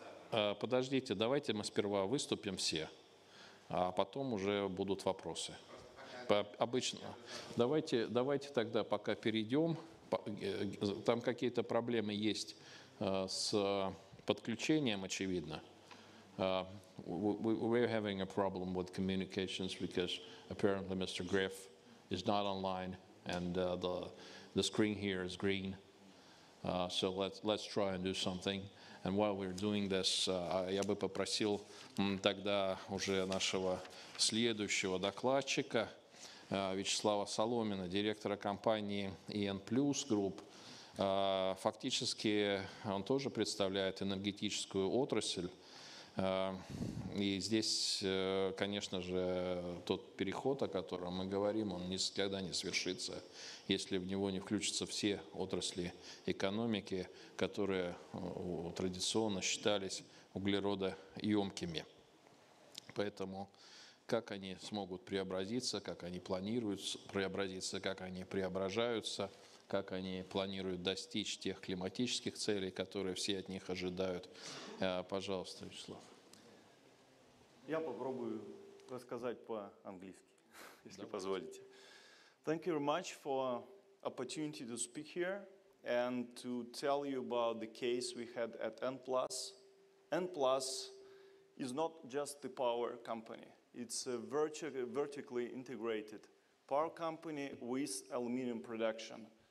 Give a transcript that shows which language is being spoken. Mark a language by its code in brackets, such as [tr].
[ru] Подождите, давайте мы сперва выступим все, а потом уже будут вопросы. Обычно. Давайте тогда пока перейдем. Там какие-то проблемы есть с подключением, очевидно. [en] We're having a problem with communications because apparently Mr. Griff is not online and the screen here is green. So let's try and do something. And while we're doing this, [ru] я бы попросил тогда уже нашего следующего докладчика, Вячеслава Соломина, директора компании EN Plus Group. Фактически он тоже представляет энергетическую отрасль. И здесь, конечно же, тот переход, о котором мы говорим, он никогда не свершится, если в него не включатся все отрасли экономики, которые традиционно считались углеродоемкими. Поэтому как они смогут преобразиться, как они планируют преобразиться, как они преображаются, как они планируют достичь тех климатических целей, которые все от них ожидают. Пожалуйста, Вячеслав. Я попробую рассказать по-английски, если позволите. [en] Thank you very much for opportunity to speak here and to tell you about the case we had at N+. N+ is not just the power company. It's a vertically integrated power company with aluminum production.